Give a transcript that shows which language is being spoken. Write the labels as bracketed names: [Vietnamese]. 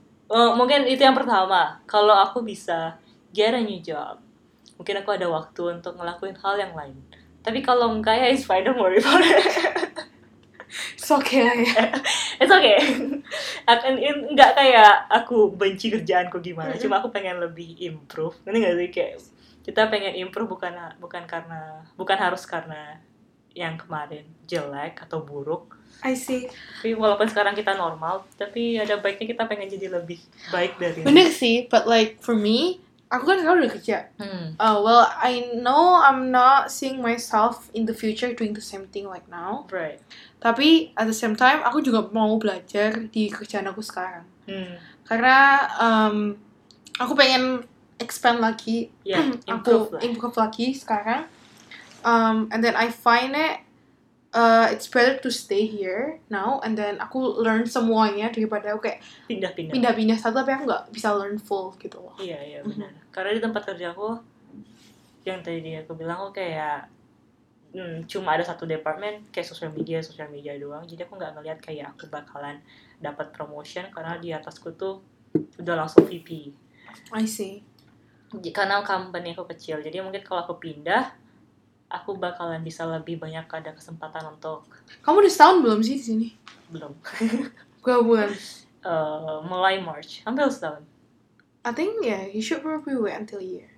[Indonesian] Mungkin itu yang pertama. Kalau aku bisa [English] get a new job, [Indonesian] mungkin aku ada waktu untuk ngelakuin hal yang lain. Tapi kalau enggak, ya [English] it's fine, don't worry about it. It's okay. It's okay. [Indonesian] Akan enggak kayak aku benci kerjaanku gimana. Mm-hmm. Cuma aku pengen lebih improve. Nanti enggak sih kayak kita pengen improve bukan harus karena yang kemarin jelek atau buruk. [English] I see. [Indonesian] Tapi walaupun sekarang kita normal, tapi ada baiknya kita pengen jadi lebih baik dari. Benar sih, [English] but like for me, [Indonesian] aku kan sekarang udah kerja. [English] Well, I know I'm not seeing myself in the future doing the same thing like now. Right. [Indonesian] Tapi [English] at the same time, [Indonesian] aku juga mau belajar di kerjaan aku sekarang. Karena aku pengen expand lagi. [English] Yeah, [Indonesian] improve lagi sekarang. [English] And then I find it, it's better to stay here now. And then [Indonesian] aku learn semuanya daripada aku kayak pindah-pindah satu, tapi aku gak bisa learn full gitu loh. Iya, yeah, yeah, benar. Mm-hmm. Karena di tempat kerja aku, yang tadi aku bilang, aku kayak cuma ada satu department, kayak sosial media doang. Jadi aku gak ngeliat kayak aku bakalan dapat promotion karena di atasku tuh udah langsung VP. [English] I see. [Indonesian] Karena company aku kecil, jadi mungkin kalau aku pindah, aku bakalan bisa lebih banyak ada kesempatan untuk... Kamu udah setahun belum sih di sini? Belum. Gua bulan? Mulai March. Hampir setahun. [English] I think, yeah, you should probably wait until a year.